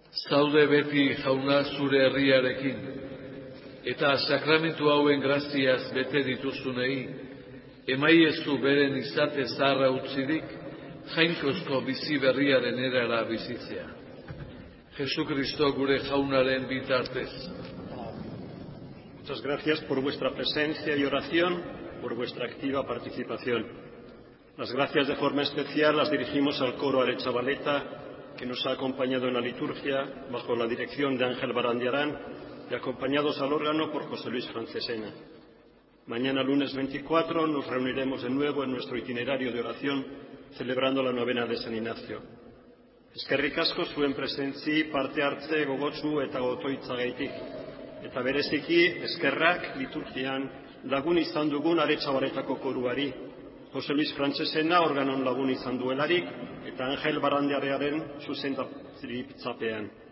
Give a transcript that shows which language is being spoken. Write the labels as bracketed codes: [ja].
[eu] Zaude beti jauna zure herriarekin, eta sakramentu hauen graziaz bete dituzunei, emaiezu beren izate zaharra utzirik, jainkozko bizi berriaren erara bizitzea. Jesu Kristo gure jaunaren bitartez. [es] Muchas gracias por vuestra presencia y oración, por vuestra activa participación. Las gracias de forma especial las dirigimos al coro Aretxabaleta, que nos ha acompañado en la liturgia bajo la dirección de Ángel Barandiarán y acompañados al órgano por José Luis Francesena. Mañana lunes 24 nos reuniremos de nuevo en nuestro itinerario de oración celebrando la novena de San Ignacio. [eu] Eskerrik asko zuen presentzi parte hartze gogotsu eta gotoitzagaitik. Eta bereziki eskerrak liturgian lagun izan dugun Aretxabaletako koruari, José Luis Francesena organon lagun izan duelarik, eta Angel Barandiarearen zuzendaritzapean.